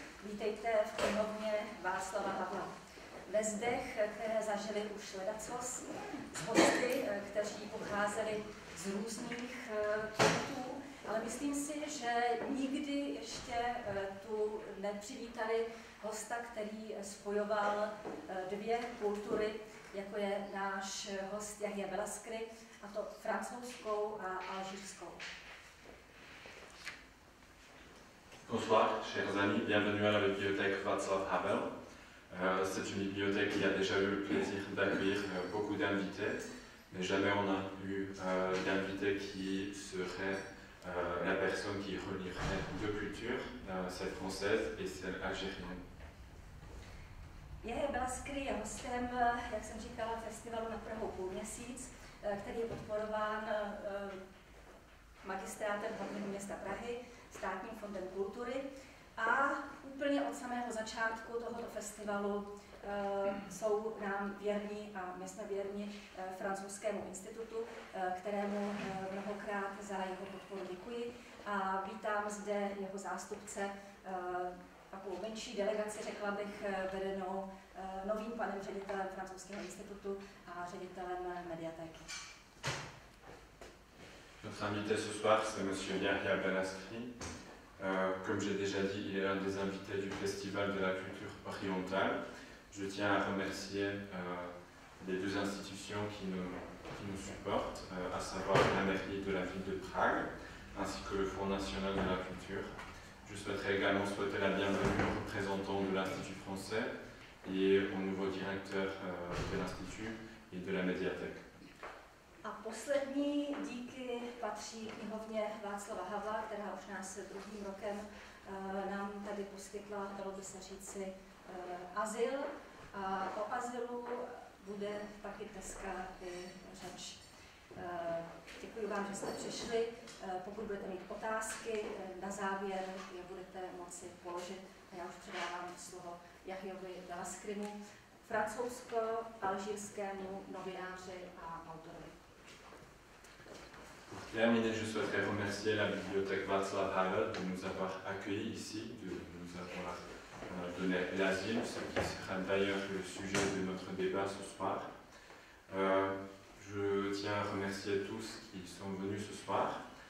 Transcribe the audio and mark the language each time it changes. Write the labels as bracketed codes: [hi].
[cs] Vítejte v knihovně Václava Havla. Ve zdech, které zažili už ledacos, hosty, kteří pocházeli z různých kultů, ale myslím si, že nikdy ještě tu nepřivítali hosta, který spojoval dvě kultury, jako je náš host Jahja Velaskry, a to francouzskou a alžírskou. [fr] Bonsoir, chers amis, bienvenue à la bibliothèque Václav Havel. C'est une bibliothèque qui a déjà eu le plaisir d'accueillir beaucoup d'invités, mais jamais on a eu d'invité qui serait la personne qui relierait deux cultures, celle française et celle algérienne. [cs] Jahja Velaskry je hostem, jak jsem říkala, festivalu na Prahu Půlměsíc, který je podporován magistrátem hlavního města Prahy, Státním fondem kultury. A úplně od samého začátku tohoto festivalu jsou nám věrní, a my jsme věrní, francouzskému institutu, kterému mnohokrát za jeho podporu děkuji. A vítám zde jeho zástupce, takovou menší delegaci, řekla bych, vedenou novým panem ředitelem francouzského institutu a ředitelem mediatéky. [fr] Notre invité ce soir, c'est monsieur Yahya Velaskry. Comme j'ai déjà dit, il est l'un des invités du Festival de la culture orientale. Je tiens à remercier les deux institutions qui nous supportent, à savoir la mairie de la ville de Prague, ainsi que le Fonds national de la culture. Je souhaiterais également souhaiter la bienvenue aux représentants de l'Institut français et au nouveau directeur de l'Institut et de la médiathèque. [cs] A poslední díky patří knihovně Václava Havla, která už nás druhým rokem nám tady poskytla, dalo by se říci, azyl. A o azylu bude taky dneska i řeč. Děkuji vám, že jste přišli. Pokud budete mít otázky, na závěr je budete moci položit. A já už předávám slovo Jahjovi Velaskrymu, francouzsko-alžírskému novináři a autorovi. [fr] Pour terminer, je souhaiterais remercier la bibliothèque Václav Havel de nous avoir accueillis ici, de nous avoir donné l'asile, ce qui sera d'ailleurs le sujet de notre débat ce soir. Je tiens à remercier tous qui sont venus ce soir.